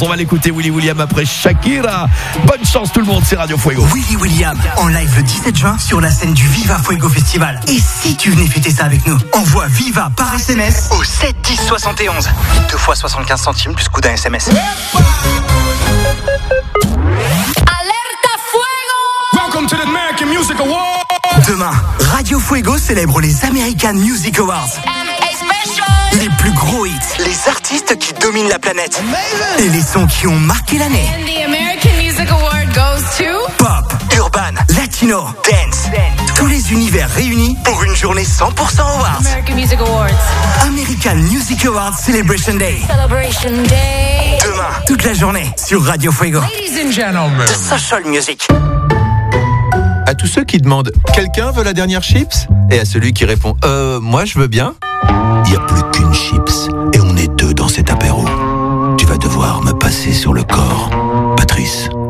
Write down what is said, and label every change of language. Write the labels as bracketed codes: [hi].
[fr] On va l'écouter Willy William après Shakira. Bonne chance tout le monde, c'est Radio Fuego. Willy William en live le 17 juin sur la scène du Viva Fuego Festival. Et si tu venais fêter ça avec nous, envoie Viva par SMS au 7-10-71. 2 fois 75 centimes plus coup d'un SMS. Alerta Fuego! [en] Welcome to the American Music Awards! [fr] Demain, Radio Fuego célèbre les American Music Awards. Les plus gros hits, les artistes qui dominent la planète. [en] Amazing. [fr] Et les sons qui ont marqué l'année. [en] And the American Music Award goes to... Pop, urban, latino, dance. [fr] Tous les univers réunis pour une journée 100% awards. [en] American Music Awards. American Music Awards Celebration Day. Celebration Day. [fr] Demain, toute la journée sur Radio Fuego. [en] Ladies and gentlemen. The Social Music. [fr] À tous ceux qui demandent « Quelqu'un veut la dernière chips ?» Et à celui qui répond « Moi je veux bien ?» Il n'y a plus qu'une chips et on est deux dans cet apéro. Tu vas devoir me passer sur le corps, Patrice.